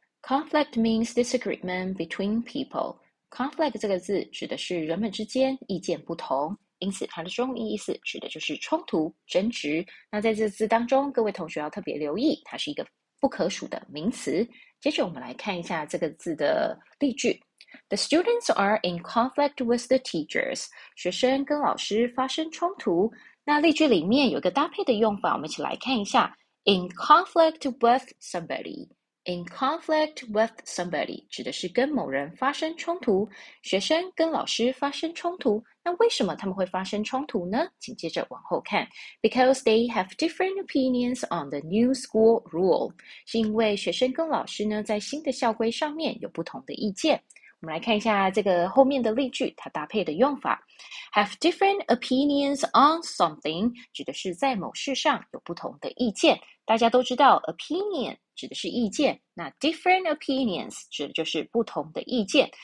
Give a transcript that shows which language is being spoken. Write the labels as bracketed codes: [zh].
[en] conflict means disagreement between people。 [zh] conflict 这个字指的是人们之间意见不同，因此它的中文意思指的就是冲突、争执。那在这个字当中，各位同学要特别留意，它是一个不可数的名词。接着我们来看一下这个字的例句。 [en] The students are in conflict with the teachers. [zh] 学生跟老师发生冲突。那例句里面有个搭配的用法，我们一起来看一下。 [en] In conflict with somebody. [zh] In conflict with somebody 指的是跟某人发生冲突，学生跟老师发生冲突。那为什么他们会发生冲突呢？请接着往后看。 [en] Because they have different opinions on the new school rule. [zh] 是因为学生跟老师呢，在新的校规上面有不同的意见。我们来看一下这个后面的例句，它搭配的用法， [en] have different opinions on something [zh] 指的是在某事上有不同的意见。大家都知道，opinion 指的是意见，那 different opinions 指的就是不同的意见。